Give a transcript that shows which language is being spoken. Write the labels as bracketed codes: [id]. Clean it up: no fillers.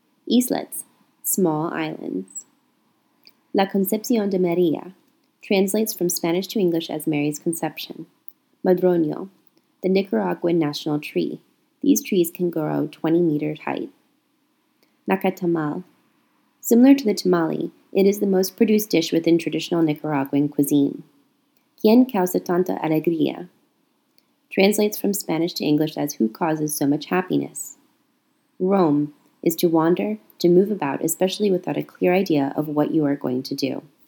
[en] Islets, small islands. La Concepción de María translates from Spanish to English as Mary's Conception. Madroño, the Nicaraguan national tree. These trees can grow 20 meters height. Nacatamal. Similar to the tamale, it is the most produced dish within traditional Nicaraguan cuisine. [es] ¿Quién causa tanta alegría? [en] Translates from Spanish to English as who causes so much happiness. Roam is to wander, to move about, especially without a clear idea of what you are going to do.